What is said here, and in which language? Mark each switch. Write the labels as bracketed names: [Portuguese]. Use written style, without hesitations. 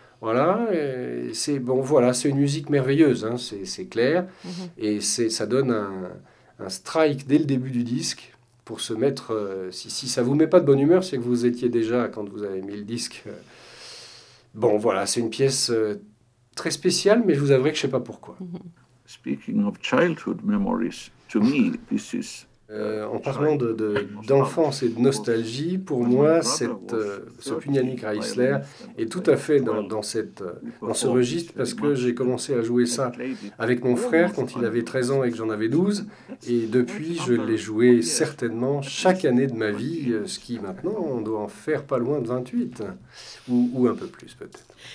[French] Voilà, c'est une musique merveilleuse, hein, c'est clair. Mm-hmm. Et ça donne un strike dès le début du disque pour se mettre... Si ça ne vous met pas de bonne humeur, c'est que vous étiez déjà, quand vous avez mis le disque... Bon, voilà, c'est une pièce très spéciale, mais je vous avouerai que je ne sais pas pourquoi. Mm-hmm. [English] Speaking of childhood memories, to me, this is... [French] En parlant d'enfance et de nostalgie, pour moi, ce Pugnani Kreisler est tout à fait dans ce registre parce que j'ai commencé à jouer ça avec mon frère quand il avait 13 ans et que j'en avais 12. Et depuis, je l'ai joué certainement chaque année de ma vie, ce qui maintenant, on doit en faire pas loin de 28 ou un peu plus peut-être.